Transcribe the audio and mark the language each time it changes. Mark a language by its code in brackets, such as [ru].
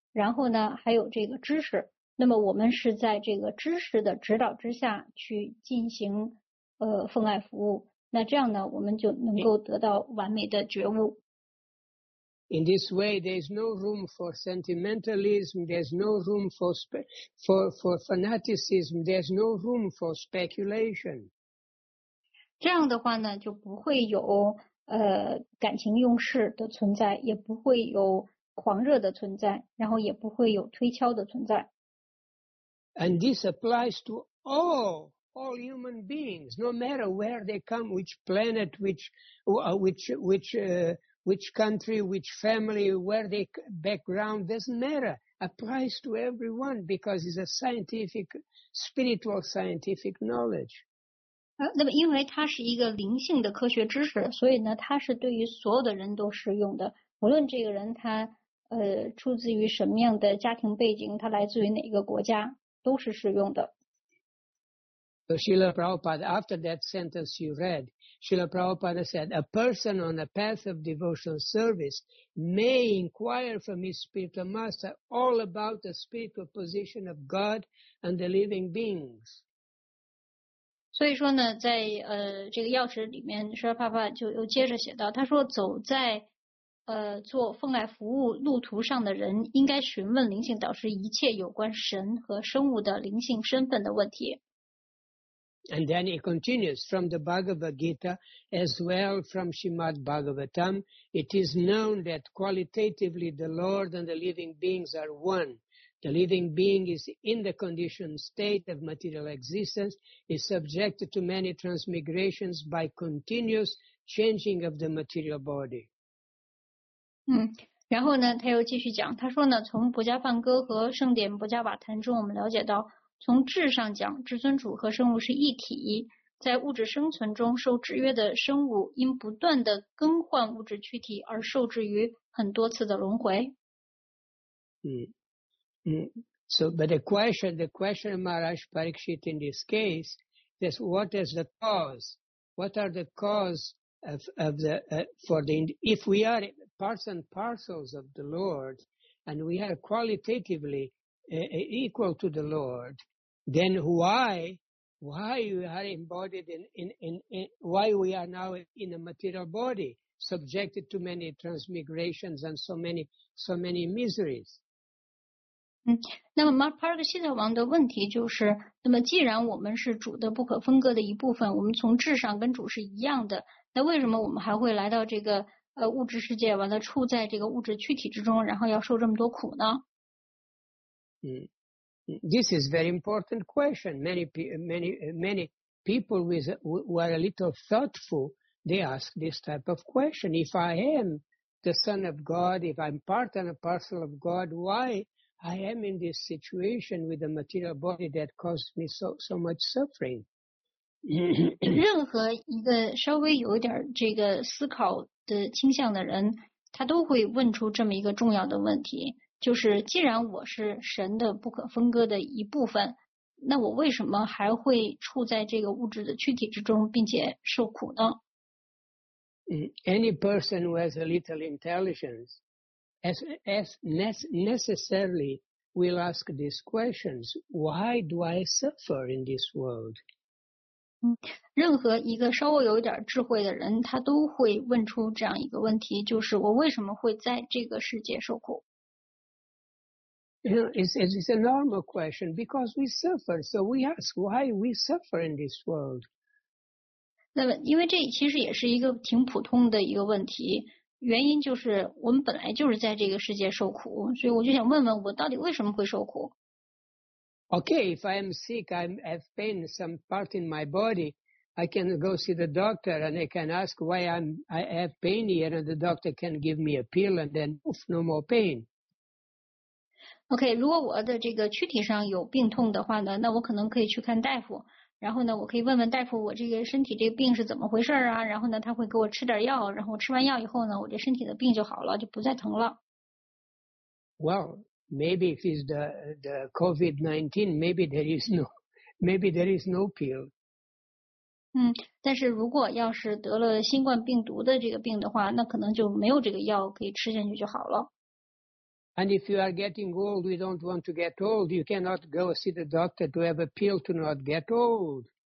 [zh] 然后呢还有这个知识那么我们是在这个知识的指导之下去进行奉爱服务那这样呢我们就能够得到完美的觉悟 [en] In this way there is no room for sentimentalism there is no room for fanaticism there is no room for speculation [zh] 这样的话呢就不会有感情用事的存在也不会有狂热的存在，然后也不会有推敲的存在。 [en] And this applies to all human beings, no matter where they come, which planet, which country, which family, where their background doesn't matter. Applies to everyone because it's a scientific, spiritual scientific knowledge. [zh] 那么因为它是一个灵性的科学知识，所以呢，它是对于所有的人都适用的，无论这个人他。出自于什么样的家庭背景它来自于哪个国家都是适用的。 [en] So, Srila Prabhupada, after that sentence you read, Srila Prabhupada said, a person on a path of devotional service may inquire from his spiritual master all about the spiritual position of God and the living beings. [zh] 所以说呢在这个钥匙里面 Srila Prabhupada 就又接着写到他说走在做奉爱服务路途上的人应该询问灵性导师一切有关神和生物的灵性身份的问题。 [en] And then it continues from the Bhagavad Gita as well from Srimad Bhagavatam, it is known that qualitatively the Lord and the living beings are one. The living being is in the conditioned state of material existence, is subjected to many transmigrations by continuous changing of the material body. [zh] 然后呢他又继续讲他说呢从博迦梵歌和圣典博迦瓦坛中我们了解到从质上讲至尊主和生物是一体在物质生存中受制约的生物因不断的更换物质躯体而受制于很多次的轮回。 [en] So, but the question of Maharaj Parikshit in this case is what is the cause? What are the cause if we are... parts and parcels of the Lord, and we are qualitatively equal to the Lord, then why we are now in a material body, subjected to many transmigrations and so many miseries? [zh] 那么 Maharaj Parikshit 王的问题就是，那么既然我们是主的不可分割的一部分，我们从质上跟主是一样的，那为什么我们还会来到这个物质世界完了处在这个物质躯体之中然后要受这么多苦呢、 [en] This is a very important question. Many people who are a little thoughtful, they ask this type of question. If I am the son of God, if I'm part and a parcel of God, why I am in this situation with a material body that caused me so much suffering? [zh] 任何一个稍微有点这个思考的倾向的人他都会问出这么一个重要的问题就是既然我是神的不可分割的一部分那我为什么还会处在这个物质的躯体之中并且受苦呢 [en] Any person who has a little intelligence as necessarily will ask these questions why do I suffer in this world? [zh] 任何一个稍微有一点智慧的人他都会问出这样一个问题就是我为什么会在这个世界受苦 [en] It's a normal question because we suffer so we ask why we suffer in this world [zh] 那么因为这其实也是一个挺普通的一个问题，原因就是我们本来就是在这个世界受苦，所以我就想问问我到底为什么会受苦。 [en] Okay, if I am sick, I have pain in some part in my body, I can go see the doctor and I can ask why I have pain here and the doctor can give me a pill and then oof, no more pain. [zh] Okay, 如果我的这个躯体上有病痛的话呢，那我可能可以去看大夫，然后呢我可以问问大夫我这个身体这个病是怎么回事啊，然后呢他会给我吃点药，然后吃完药以后呢我这身体的病就好了，就不再疼了。 [en] Well, maybe if it's the COVID-19, maybe there is no pill. [zh] 但是如果要是得了新冠病毒的这个病的话，那可能就没有这个药可以吃下去就好了。 [en] And if you are getting old, we don't want to get old. You cannot go see the doctor to have a pill to not get old.